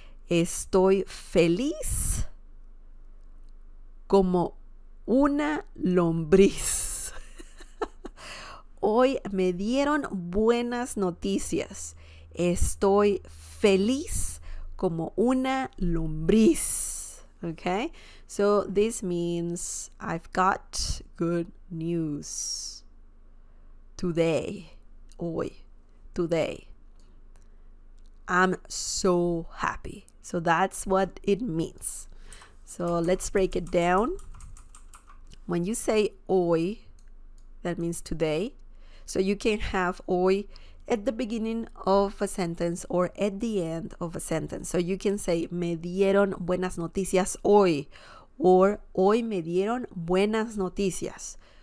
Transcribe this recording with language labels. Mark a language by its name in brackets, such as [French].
[Spanish] Estoy feliz como una lombriz. Hoy me dieron buenas noticias. Estoy feliz como una lombriz. [English] Okay? So this means I've got good news today. Hoy. Today, I'm so happy. So that's what it means. So let's break it down. When you say hoy, that means today. So you can have hoy at the beginning of a sentence or at the end of a sentence. So you can say [Spanish] me dieron buenas noticias hoy or hoy me dieron buenas noticias.